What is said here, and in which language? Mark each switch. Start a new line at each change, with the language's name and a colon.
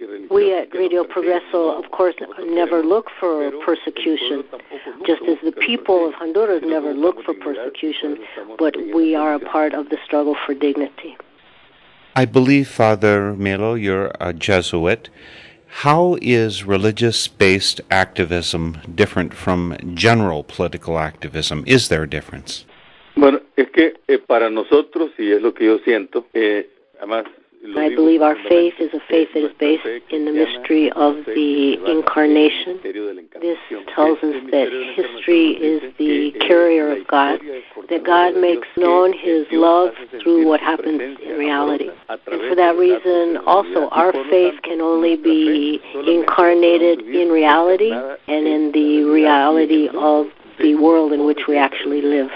English: We at Radio Progreso, of course, never look for persecution, just as the people of Honduras never look for persecution, but we are a part of the struggle for dignity. I believe, Father Melo, you're a Jesuit. How is religious-based activism different from general political activism? Is there a difference?
Spanish: Bueno, es que para nosotros, y es lo que yo siento, además...
English: I believe our faith is a faith that is based in the mystery of the incarnation. This tells us that history is the carrier of God, that God makes known his love through what happens in reality. And for that reason, also, our faith can only be incarnated in reality and in the reality of the world in which we actually live.